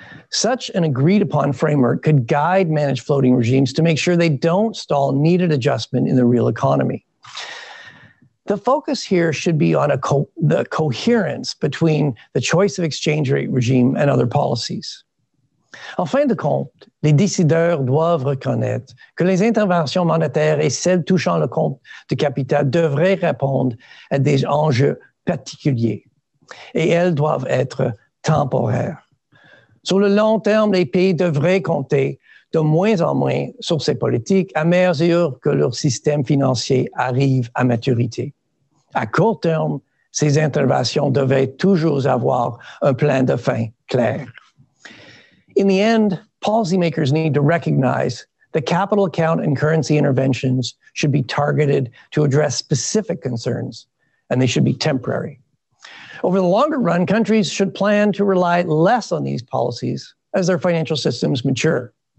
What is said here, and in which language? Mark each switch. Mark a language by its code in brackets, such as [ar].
[en] Such an agreed upon framework could guide managed floating regimes to make sure they don't stall needed adjustment in the real economy. The focus here should be on the coherence between the choice of exchange rate regime and other policies. [fr] En fin de compte, les décideurs doivent reconnaître que les interventions monétaires et celles touchant le compte de capital devraient répondre à des enjeux particuliers et elles doivent être temporaires. Sur le long terme, les pays devraient compter de moins en moins sur ces politiques à mesure que leur système financier arrive à maturité. À court terme, ces interventions devraient toujours avoir un plan de fin clair. [en] In the end, policymakers need to recognize that capital account and currency interventions should be targeted to address specific concerns, and they should be temporary. Over the longer run, countries should plan to rely less on these policies as their financial systems mature.